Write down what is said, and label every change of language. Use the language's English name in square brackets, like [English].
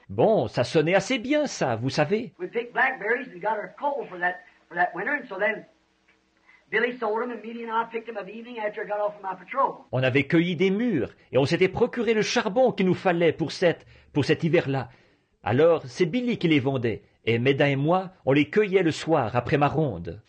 [French] Bon, ça sonnait assez bien, ça, vous savez. [English] We picked blackberries and got our coal for that winter. And so then Billy sold them and Billy and I picked them up evening after I got off of my patrol. [French] On avait cueilli des mûres et on s'était procuré le charbon qu'il nous fallait pour cet hiver-là. Alors, c'est Billy qui les vendait. Et Meda et moi, on les cueillait le soir après ma ronde.